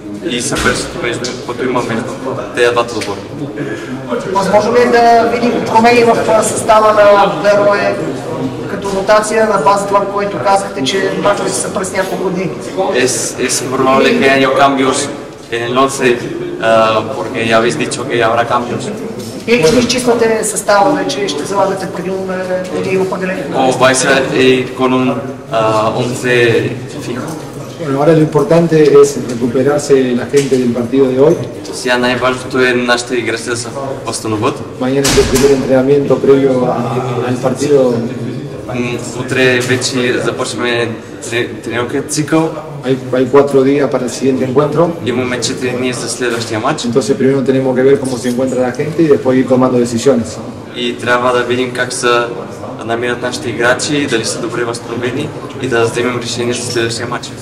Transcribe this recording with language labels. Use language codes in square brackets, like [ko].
[bg] И съперството между което има между тези двата отбора. Възможно ли е да видим промени в състава на Берое като ротация на база това, което казахте, че мачове се съпрес няколко дни? [es] Es probable que haya cambios en el 11, porque ya habéis dicho que habrá cambios. [bg] И ще изчиствате състава, че ще залагате преди определение? [es] Oh, vais a ir con un 11 fijo. Bueno, ahora lo importante es recuperarse la gente del partido de hoy. [bg] Сега най-важното е нашите играчи да се възстановят. [es] Mañana es el primer entrenamiento previo al partido. [bg] Утре вече започваме тренировка цикъл. [es] Hay 4 días para el siguiente encuentro. [bg] Имаме 4 дни за следващия матч. [es] Entonces primero tenemos que ver cómo se encuentra la gente y después ir tomando decisiones. [bg] И трябва да видим как се намират нашите играчи, дали са добре възстановени и да вземем решение за следващия матч.